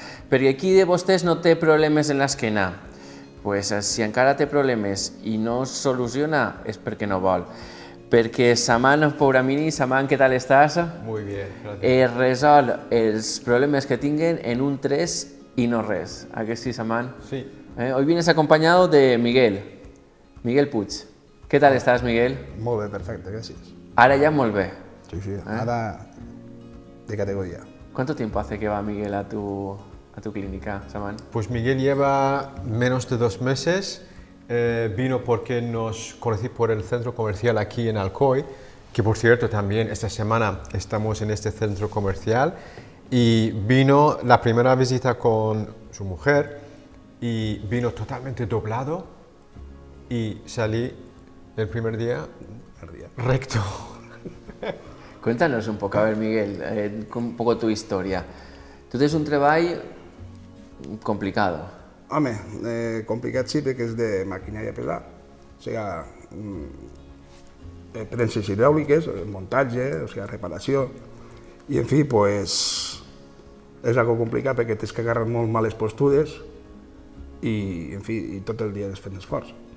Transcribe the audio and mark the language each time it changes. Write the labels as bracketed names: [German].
[Catalan] Perquè qui de vostès no té problemes en l'esquena? Pues si encara té problemes i no soluciona, és perquè no vol. Perquè Saman Pouramini, Saman, què tal estàs? [Spanish] Muy bien, gracias. [Catalan] Resol els problemes que tinguen en un 3 i no res. A que sí, Saman? Sí. [Spanish] Hoy vienes acompañado de Miguel. [Catalan] Miguel Puig. Què tal estàs, Miguel? Molt bé, perfecte, gràcies. Ara ja molt bé. Sí, sí, ara de categoria. [Spanish] ¿Cuánto tiempo hace que va Miguel a tu clínica, Saman? Pues Miguel lleva menos de 2 meses. Vino porque nos conocí por el centro comercial aquí en Alcoy, que por cierto también esta semana estamos en este centro comercial, y vino la primera visita con su mujer y vino totalmente doblado y salí el primer día recto. Cuéntanos un poco, a ver, Miguel, un poco tu historia. Tú tienes un trabajo complicado. [Catalan] Home, complicat sí, perquè és de maquinària pesada. O sigui, prenses hidràuliques, muntatge, o sigui, reparació. I, en fi, pues, és algo complicat perquè tens que agarrar molt males postures i, en fi, i tot el dia fent esforç.